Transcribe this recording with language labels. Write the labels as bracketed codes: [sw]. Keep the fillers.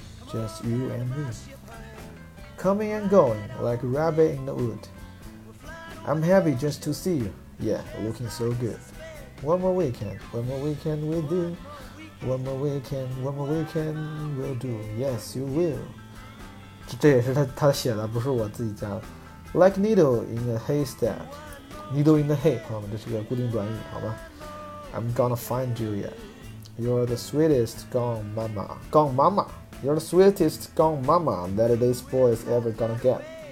[en] Just you and me coming and going like a rabbit in the wood. I'm happy just to see you. Yeah, looking so good. One more weekend, one more weekend we'll do. One more weekend, one more weekend we'll do. Yes, you will. [zh] 这这也是他他写的，不是我自己加的。 [en] Like needle in a haystack. Needle in the hay， [zh] 朋友们，这是个固定短语，好吧？ [en] I'm gonna find you, yeah. You're the sweetest gone mama. Gone mama. You're the sweetest gone mama that this boy is ever gonna get.